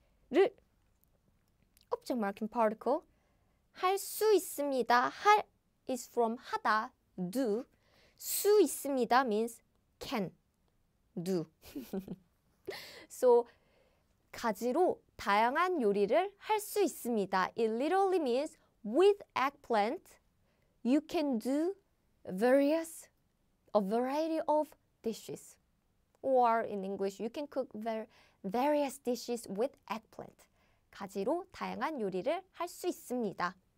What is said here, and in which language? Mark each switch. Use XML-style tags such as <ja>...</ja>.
<en>를 object marking particle.</en> <ko>할 수 있습니다.</ko> <en>할 is from 하다, do.</en> <ko>수 있습니다</ko> <en>means can, do.</en> <ko>So, 가지로 다양한 요리를 할 수 있습니다.</ko> <en>It literally means with eggplant, you can do a variety of dishes. Or in English, you can cook various dishes with eggplant.</en> <ko>가지로 다양한 요리를 할 수 있습니다.</ko>